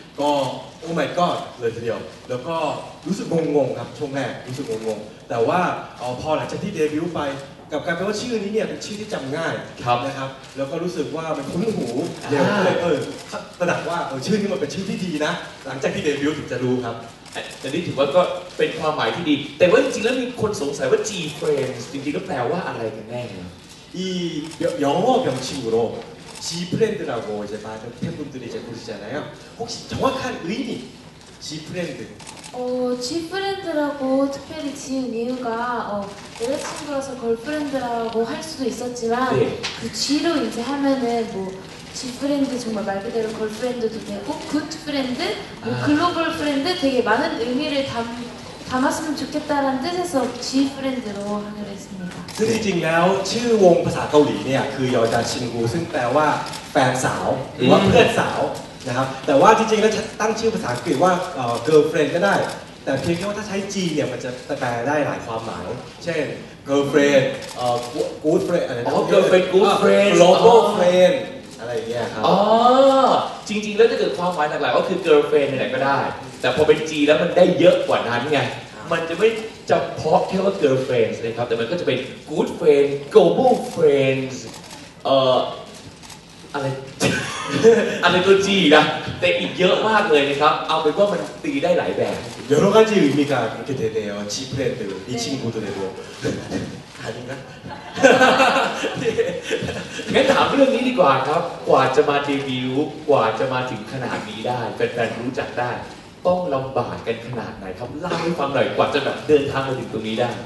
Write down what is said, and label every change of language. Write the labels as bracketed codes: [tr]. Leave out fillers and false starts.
[th] ก็โอ้ [en] my god [th] เลยทีเดียวแล้วก็รู้สึกงงๆครับช่วงแรกรู้สึกงงๆแต่ว่าพอหลังจากที่เดบิวต์ไปกับการแปลว่าชื่อนี้เนี่ยเป็นชื่อที่จำง่ายนะครับแล้วก็รู้สึกว่ามันคุ้นหูเดี๋ยวก็เลยตระหนักว่าชื่อนี้มันเป็นชื่อที่ดีนะหลังจากที่เดบิวต์ถึงจะรู้ครับ แต่นี่ถือว่าก็เป็นความหมายที่ดีแต่ว่าจริงๆแล้วมีคนสงสัยว่า G Frames จริงๆก็แปลว่าอะไรกันแน่ [ko] 이영어명칭으로G 프렌드라고이제많은팬분들이이제부르시잖아요혹시정확한의미 G 프렌드 G 프렌드라고특별히지은이유가여자친구라서걸프렌드라고할수도있었지만、 네、 그 G 로이제하면은뭐 G 프렌드정말말그대로걸프렌드도되고굿프렌드뭐글로벌프렌드되게많은의미를담았으면좋겠다라는뜻에서 G 프렌드로하기로했습니다 [th] ซึ่งจริงๆแล้วชื่อวงภาษาเกาหลีเนี่ยคือยอจาชินกูซึ่งแปลว่าแฟนสาวหรือว่าเพื่อนสาวนะครับแต่ว่าจริงๆแล้วตั้งชื่อภาษาอังกฤษว่าgirlfriend ก็ได้ แต่เพียงแค่ว่าถ้าใช้จีเนี่ยมันจะแปลได้หลายความหมายเช่น girlfriend good friend อะไรนะ [en] girlfriend good friend [th] local friend อะไรเงี้ยครับ อ๋อจริงๆแล้วถ้าเกิดความหมายหลักๆก็คือ girlfriend ไหนก็ได้แต่พอเป็นจีแล้วมันได้เยอะกว่านั้นไงมันจะไม่จำเพาะแค่ว่า girlfriend นะครับแต่มันก็จะเป็น [en] good friend global friends [th] อะไร อะไรตัว G นะแต่อีกเยอะมากเลยนะครับเอาเป็นว่ามันตีได้หลายแบบ [ko] 여러가지의미가그렇게되네요 G friend 이친구들에게도아니나 [th] งั้นถามเรื่องนี้ดีกว่าครับกว่าจะมาเดบิวต์กว่าจะมาถึงขนาดนี้ได้แฟนๆรู้จักได้ต้องลำบากกันขนาดไหนครับเล่าให้ฟังหน่อยกว่าจะแบบเดินทางมาถึงตรงนี้ได